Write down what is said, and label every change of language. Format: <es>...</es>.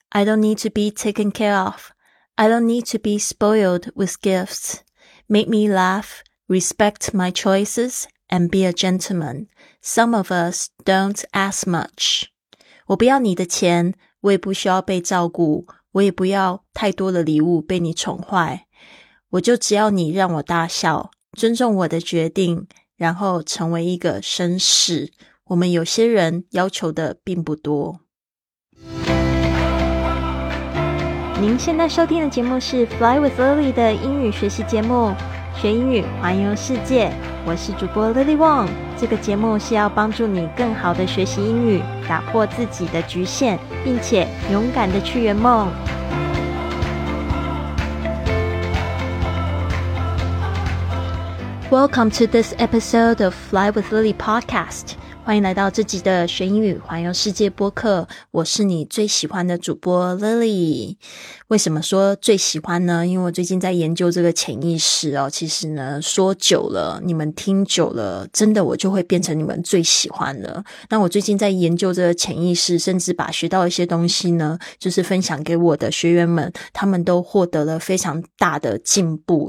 <en>I don't need to be taken care of. I don't need to be spoiled with gifts. Make me laugh, respect my choices, and be a gentleman. Some of us don't ask much.</en> <zh>我不要你的钱，我也不需要被照顾，我也不要太多的礼物被你宠坏。我就只要你让我大笑，尊重我的决定，然后成为一个绅士。我们有些人要求的并不多。您现在收听的节目是 Fly with Lily 的英语学习节目，学英语环游世界。我是主播 Lily Wong。这个节目是要帮助你更好的学习英语，打破自己的局限，并且勇敢的去圆梦。</zh> <en>Welcome to this episode of Fly with Lily podcast.</en> <zh>欢迎来到这集的学英语环游世界播客。我是你最喜欢的主播 Lily。为什么说最喜欢呢？因为我最近在研究这个潜意识哦。其实呢，说久了，你们听久了，真的我就会变成你们最喜欢了。那我最近在研究这个潜意识，甚至把学到一些东西呢，就是分享给我的学员们，他们都获得了非常大的进步。</zh>